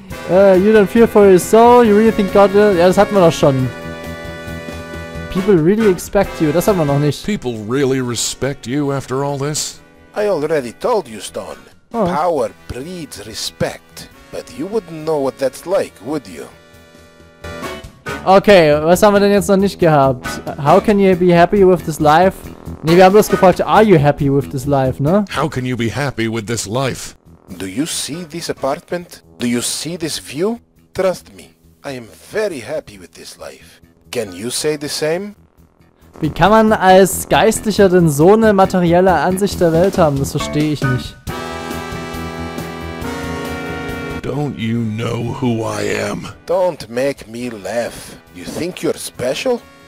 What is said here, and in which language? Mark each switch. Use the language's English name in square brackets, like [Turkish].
[English] You don't fear for your soul, you really think God will... [German] Ja, das hatten wir doch schon. [English] People really expect you, [German] das haben wir noch nicht. [English] People really respect you after all this? I already told you, Stone. Oh. Power breeds respect. But you wouldn't know what that's like, would you? [German] Okay, was haben wir denn jetzt noch nicht gehabt? [English] How can you be happy with this life? [German] Nee, wir haben bloß gefragt, [English] are you happy with this life, [German] ne? [English] How can you be happy with this life? Do you see this apartment? Do you see this view? Trust me, I am very happy with this life. Can you say the same? [German] Wie kann man als Geistlicher denn so eine materielle Ansicht der Welt haben? Das verstehe ich nicht. [English] Don't you know who I am? Don't make me laugh. You think you're special?